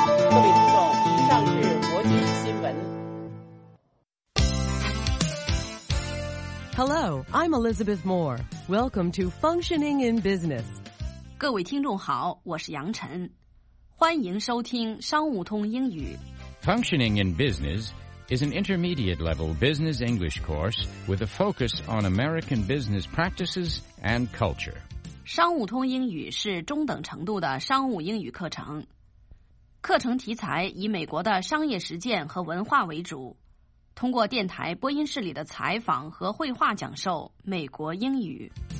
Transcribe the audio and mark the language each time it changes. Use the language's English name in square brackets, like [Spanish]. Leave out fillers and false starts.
[Chinese] 各位听众，以上是国际新闻。 [English] Hello, I'm Elizabeth Moore. Welcome to Functioning in Business. [Chinese] 各位听众好，我是杨晨，欢迎收听商务通英语。 [English] Functioning in Business is an intermediate level business English course with a focus on American business practices and culture. [Chinese] 商务通英语是中等程度的商务英语课程，课程题材以美国的商业实践和文化为主，通过电台播音室里的采访和绘画讲授美国英语。